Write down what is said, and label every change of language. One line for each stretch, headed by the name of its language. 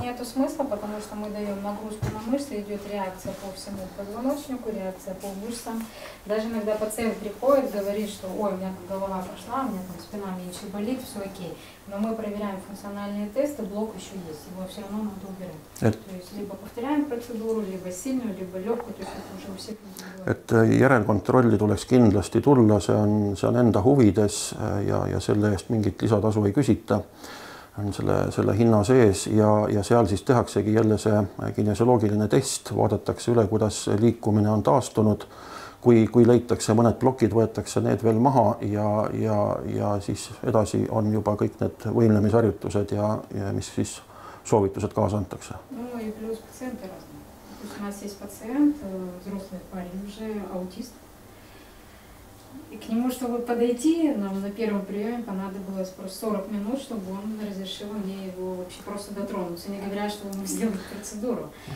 Russian: Нету смысла, потому что мы даём нагрузку на мышцы, идёт реакция по всему позвоночнику, реакция по мышцам. Даже иногда пациент приходит, говорит, что: "Ой, у меня как голова прошла, у меня там спина меньше болит, всё о'кей". Но мы проверяем функциональные тесты, блок ещё есть, его всё равно надо убирать. То есть либо повторяем процедуру, либо сильную, либо лёгкую, то есть это уже у всех.
Estonian: Et järelkontrolli tuleks kindlasti tulla, see on enda huvides ja selle eest mingit lisatasu ei küsita. On selle hinna sees ja seal siis tehaksegi jälle see kinesioloogiline test, vaadatakse üle, kuidas liikumine on taastunud. Kui leitakse mõned blokid, võetakse need veel maha ja siis edasi on juba kõik need võimlemisharjutused ja mis siis soovitused kaas antakse. No ja plus patsientele.
Russian: У нас есть пациент, взрослый парень уже, аутист. И к нему, чтобы подойти, нам на первом приеме понадобилось просто 40 минут, чтобы он разрешил мне его вообще просто дотронуться, не говоря, что мы сделали процедуру.